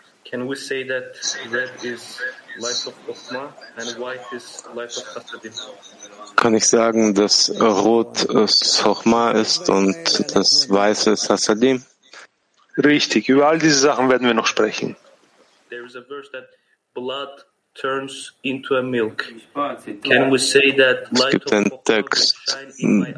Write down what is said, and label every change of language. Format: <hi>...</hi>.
<en>Can we say that red is life of Chokma and white is life of Chassadim?</en> <de>Kann ich sagen, dass Rot Chokma ist und das Weiße ist Chassadim? Richtig, über all diese Sachen werden wir noch sprechen.</de> <en>There is a verse that blood turns into a milk. Can we say that light of Chokhmah shines in my eyes?</en>